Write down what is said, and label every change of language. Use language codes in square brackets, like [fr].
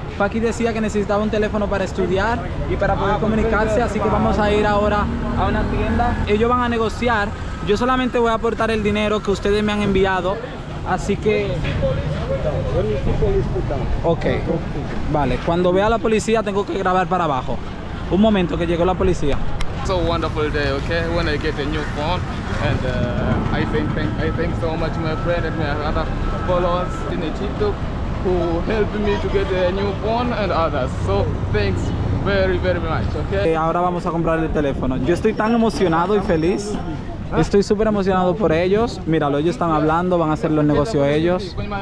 [es] Faki decía que necesitaba un teléfono para estudiar y para poder comunicarse, así que vamos a ir ahora a una tienda. Ellos van a negociar. Yo solamente voy a aportar el dinero que ustedes me han enviado, así que... Ok. Vale. Cuando vea a la policía, tengo que grabar para abajo. Un momento, que llegó la policía. [en] It's a wonderful day, okay? When I get a new phone, and I thank so much my friend and my other followers in Egypt who helped me to get a new phone and others. So thanks very, very much, okay? [es] Ahora vamos a comprar el teléfono. Yo estoy tan emocionado y feliz Estoy súper emocionado por ellos. Míralo, ellos están hablando, van a hacer los negocios ellos.